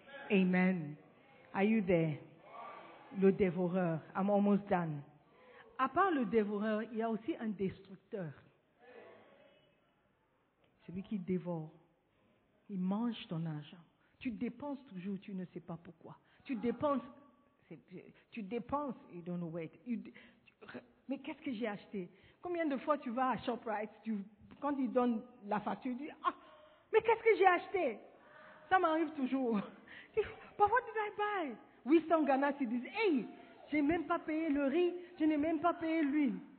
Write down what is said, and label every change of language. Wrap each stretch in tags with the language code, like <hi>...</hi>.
<en>Amen. Are you there?</en> <fr>Le dévoreur.</fr> <en>I'm almost done.</en> <fr>À part le dévoreur, il y a aussi un destructeur. Celui qui dévore. Il mange ton argent. Tu dépenses toujours, tu ne sais pas pourquoi. Tu dépenses,</fr> <en>you don't know where it is.</en> <fr>Mais qu'est-ce que j'ai acheté? Combien de fois tu vas à ShopRite, quand ils donnent la facture, tu dis, ah, mais qu'est-ce que j'ai acheté? Ça m'arrive toujours.</fr> <en>But what did I buy?</en> <fr>Oui, c'est en Ghana, ils disent, hey, j'ai même pas payé le riz, je n'ai même pas payé l'huile.</fr>